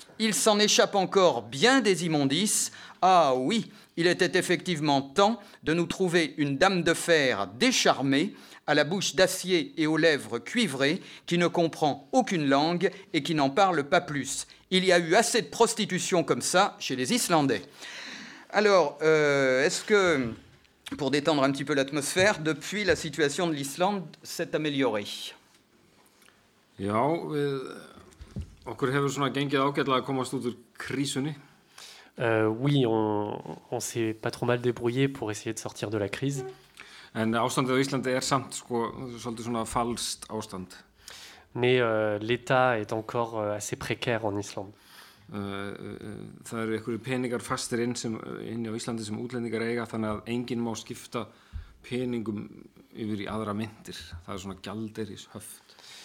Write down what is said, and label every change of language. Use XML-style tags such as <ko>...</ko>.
<fr>Il s'en échappe encore bien des immondices. Ah oui, il était effectivement temps de nous trouver une dame de fer décharmée, à la bouche d'acier et aux lèvres cuivrées, qui ne comprend aucune langue et qui n'en parle pas plus. Il y a eu assez de prostitution comme ça chez les Islandais. Alors, est-ce que... Pour détendre un petit peu l'atmosphère, depuis la situation de l'Islande s'est améliorée.</fr> <is>Já, við okkur hefur svona gengið ágætlega að komast út úr krísunni.</is> <fr>Oui, on s'est pas trop mal débrouillé pour essayer de sortir de la crise.</fr> <is>En ástandið á Íslandi er samt svolítið svona falskt ástand.</is> <fr>Mais l'état est encore assez précaire en Islande.</fr> <is>Það eru einhverju peningar fastir inn á Íslandi sem útlendingar eiga þannig að enginn má skipta peningum yfir í aðra myntir það svona gjaldeyris höft</is>